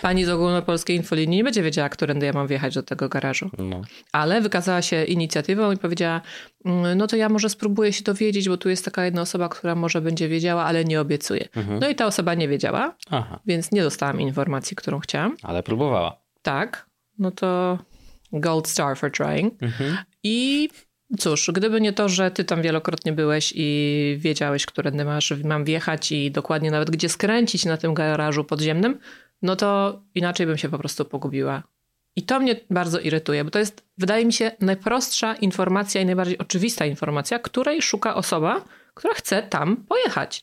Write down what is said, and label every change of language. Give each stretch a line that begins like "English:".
Polish: Pani z ogólnopolskiej infolinii nie będzie wiedziała, którędy ja mam wjechać do tego garażu. No. Ale wykazała się inicjatywą i powiedziała, no to ja może spróbuję się dowiedzieć, bo tu jest taka jedna osoba, która może będzie wiedziała, ale nie obiecuje. No i ta osoba nie wiedziała, więc nie dostałam informacji, którą chciałam. Ale próbowała. Tak, no to
English: gold star for trying.
Polish: I cóż, gdyby nie to, że ty tam wielokrotnie byłeś i wiedziałeś, którędy mam wjechać i dokładnie nawet gdzie skręcić na tym garażu podziemnym, no to inaczej bym się po prostu pogubiła. I to mnie bardzo irytuje, bo to jest, wydaje mi się, najprostsza informacja i najbardziej oczywista informacja, której szuka osoba, która chce tam pojechać.